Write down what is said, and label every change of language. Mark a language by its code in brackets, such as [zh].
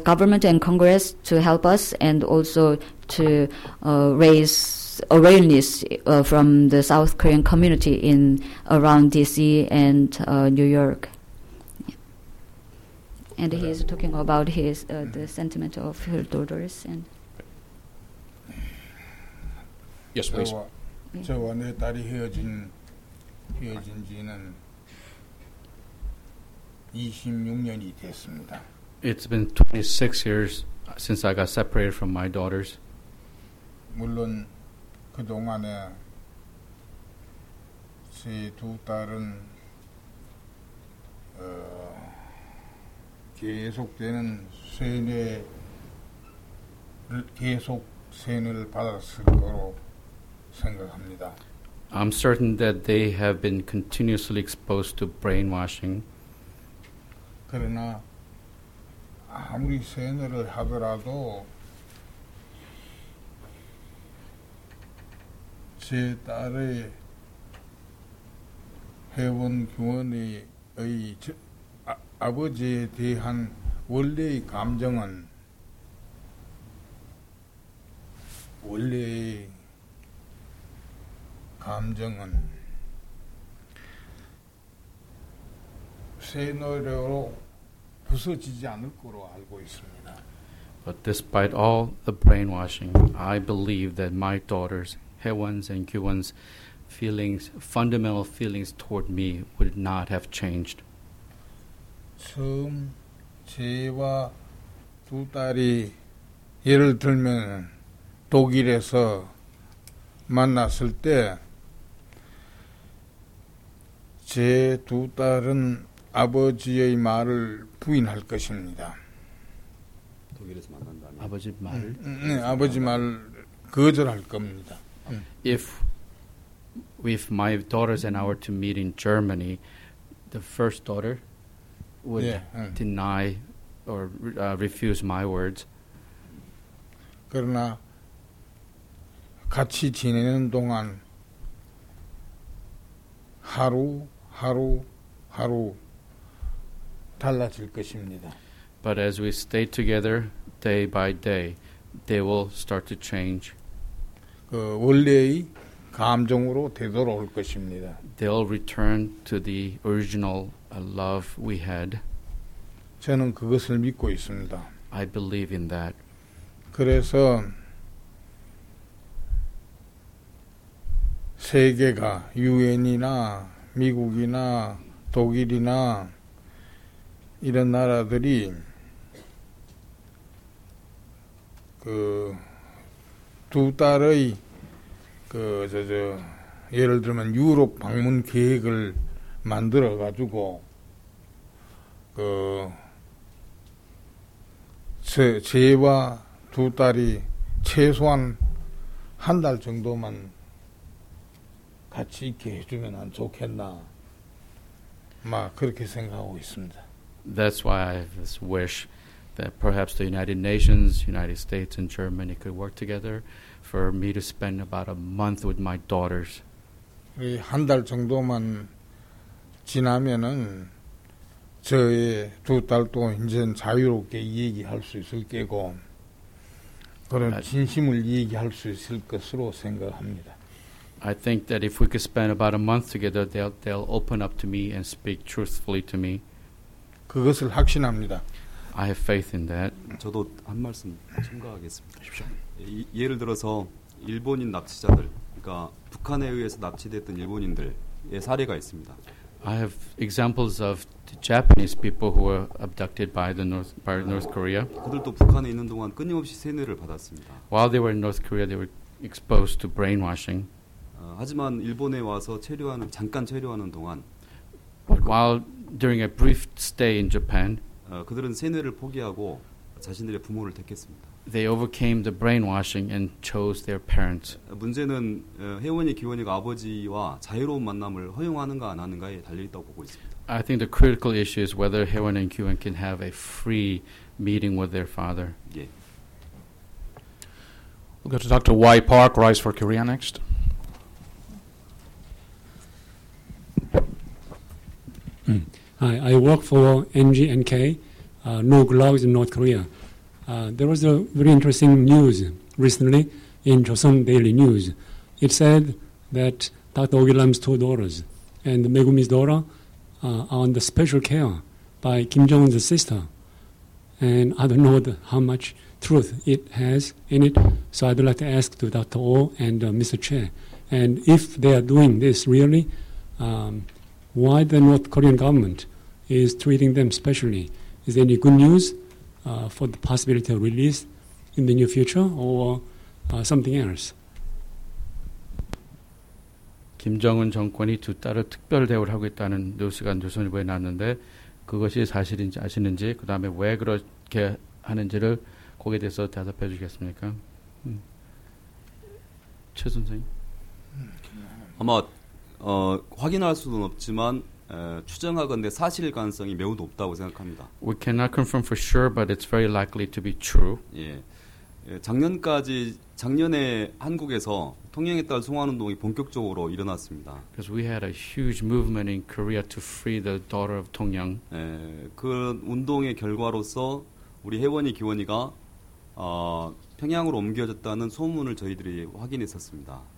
[en] government and Congress to help us, and also to raise awareness from the South Korean community in around DC and New York. Yeah. And he's talking about his the sentiment of her daughters. And yes, please. [ko] 저와 내 딸이 헤어진 지는 26년이 됐습니다. [en] It's been 26 years since I got separated from my daughters. [ko] 물론 그동안에 제 두 딸은 계속되는 세뇌를 계속 세뇌를 받았을 거로 생각합니다. [en] I'm certain that they have been continuously exposed to brainwashing. [ko] 그러나 아무리 세뇌를 하더라도 제 딸의 회원 교원의 아버지에 대한 원래의 감정은 세뇌로 부서지지 않을 거로 알고 있습니다. [en] But despite all the brainwashing, I believe that my daughters Hewan's and Kyuan's feelings, fundamental feelings toward me, would not have changed. [ko] 처음 제와 두 딸이 예를 들면 독일에서 만났을 때 제 두 딸은 아버지의 말을 부인할 것입니다. 독일에서 만난다면 아버지 말을 네, 아버지 말 거절할 겁니다. [en] If my daughters and I were to meet in Germany, the first daughter would deny or refuse my words. [ko] 그러나 같이 지내는 동안 하루 하루 하루 달라질 것입니다. [en] But as we stay together day by day, they will start to change. [ko] 그 원래의 감정으로 되돌아올 것입니다. [en] They'll return to the original love we had. [ko] 저는 그것을 믿고 있습니다. [en] I believe in that. [ko] 그래서 세계가 UN이나 미국이나 독일이나 이런 나라들이 그 두 딸의 그 저 예를 들면 유럽 방문 계획을 만들어 가지고 그 제와 두 딸이 최소한 한 달 정도만 같이 있게 해주면 안 좋겠나 막 그렇게 생각하고 있습니다. [en] That's why I have this wish that perhaps the United Nations, United States and Germany could work together for me to spend about a month with my daughters. [ko] 이 한 달 정도만 지나면은 저의 두 딸도 이제 자유롭게 얘기할 수 있을 게고 그런 진심을 얘기할 수 있을 것으로 생각합니다. [en] I think that if we could spend about a month together, they'll open up to me and speak truthfully to me. [ko] 그것을 확신합니다. [en] I have faith in that. [ko] 저도 한 말씀 첨가하겠습니다. 예를 들어서 일본인 납치자들, 그러니까 북한에 의해서 납치됐던 일본인들의 사례가 있습니다. [en] I have examples of the Japanese people who were abducted by the North Korea. [ko] 그들도 북한에 있는 동안 끊임없이 세뇌를 받았습니다. [en] While they were in North Korea, they were exposed to brainwashing. [ko] 하지만 일본에 와서 체류하는 잠깐 체류하는 동안 [en] But while during a brief stay in Japan, [ko] 그들은 세뇌를 포기하고 자신들의 부모를 택했습니다. [en] They overcame the brainwashing and chose their parents. [ko] 문제는 회원이 기원이가 아버지와 자유로운 만남을 허용하는가 안 하는가에 달려 있다고 보고 있습니다. [en] I think the critical issue is whether Haewon and Kiwon can have a free meeting with their father. Yeah. We'll go to Dr. Y Park Rice for Korea next. I work for NGNK, No Gulags in North Korea. There was a very interesting news recently in Joseon Daily News. It said that Dr. Ogilam's two daughters and Megumi's daughter are under special care by Kim Jong-un's sister. And I don't know how much truth it has in it, so I'd like to ask to Dr. Oh and Mr. Che. And if they are doing this really, why the North Korean government is treating them specially? Is there any good news for the possibility of release in the near future or something else? [ko] 김정은 정권이 두 딸을 특별 대우를 하고 있다는 뉴스가 조선일보에 났는데 그것이 사실인지 아시는지 그 다음에 왜 그렇게 하는지를 거기에 대해서 대답해 주시겠습니까? 최 선생님. 아마 확인할 수는 없지만 추정하건대 사실 가능성이 매우 높다고 생각합니다. [en] We cannot confirm for sure, but it's very likely to be true. [ko] 예, 작년에 한국에서 통영에 따른 송환운동이 본격적으로 일어났습니다. [en] Because we had a huge movement in Korea to free the daughter of 통영. [ko] 예, 그 운동의 결과로서 우리 혜원이 기원이가 평양으로 옮겨졌다는 소문을 저희들이 확인했었습니다.